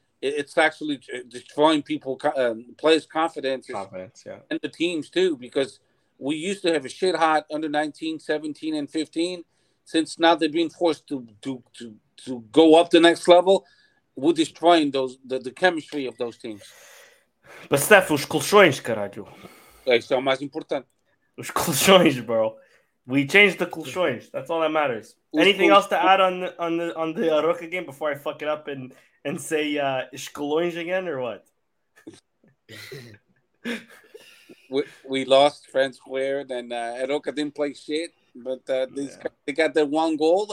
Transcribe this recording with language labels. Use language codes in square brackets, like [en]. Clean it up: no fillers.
[en] It's actually destroying people, players' confidence, yeah, and the teams too, because we used to have a shit hot under 19, 17, and 15. Since now they're being forced to go up the next level, we're destroying the chemistry of those teams. But [pt] Steph, os colchões, caralho. Isso é o mais importante. Os colchões, [en] bro. We changed the colchões. That's all that matters. Anything else to add on the Arouca game before I fuck it up and say Escalões again or what? We lost France Square, then Arouca didn't play shit, but they got their one goal.